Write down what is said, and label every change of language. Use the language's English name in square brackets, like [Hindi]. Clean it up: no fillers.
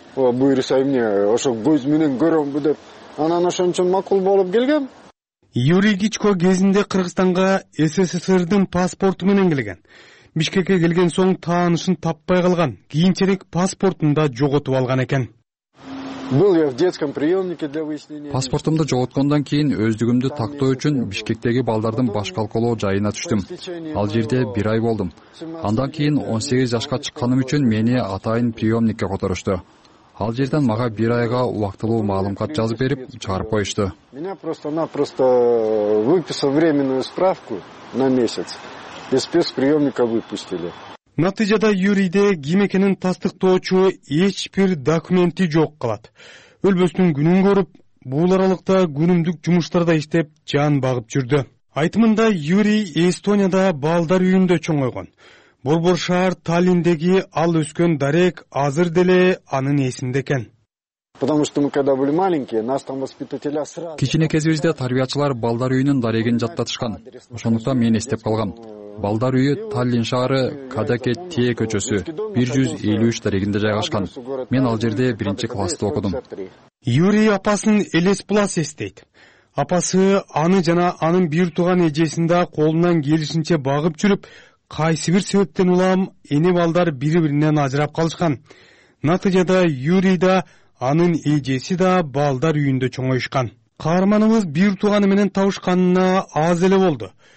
[Kyrgyz] Буюрса эмне ошо көз менен көрөмбү деп анан ошон үчүн макул болуп келгем. Юрий Гичко кезинде Кыргызстанга СССРдин паспорту менен келген. Бишкекке келген соң таанышын таппай калган, кийинчерек паспортун да жоготуп алган экен. [Russian] Был я в детском приемнике для выяснения. [Kyrgyz] Паспортумду жоготкондон кийин өздүгүмдү тактоо үчүн Бишкектеги балдардын баш колколоо жайына түштүм. Ал жерде бир ай болдум. Андан кийин 18 жашка чыкканым үчүн мени атайын приемникке которушту. Ал жерден мага бир айга убактылуу маалымат жазып берип, чыгарып коюшту. [Russian] Меня просто-напросто выписал временную справку на месяц. И спецприемника выпустили. [Kyrgyz] Натыйжада Юрийде ким экенин тастыктоочу эч бир документи жок калат. Өлбөстүн күнүн көрүп, бул аралыкта күнүмдүк жумуштарда иштеп, жан багып жүрдү. Айтымында Юрий Эстонияда балдар үйүндө чоңойгон. Борбор шаар Таллиндеги ал өскөн дарек азыр деле анын эсинде экен. [Russian] Потому что мы когда были маленькие, нас там воспитателя сразу. [Kyrgyz] Кичине кезибизде тарбиячылар балдар үйүнүн дарегин жаттатышкан. Ошондуктан мен эстеп калгам. Балдар үйү Таллин шаары Кадаке Тие көчөсү 153 дарегинде жайгашкан. Мен ал жерде 1-чи классты окудум. Юрий апасын Элес Плас эстейт. Апасы аны жана анын бир тууган эжесин да колунан келишинче багып жүрүп, кайсы бир себептен улам эне балдар бири-биринен ажырап калышкан. Натыйжада Юрий да анын эжеси да балдар үйүндө чоңойушкан. Каарманыбыз бир тууганы менен табышканына аз эле болду.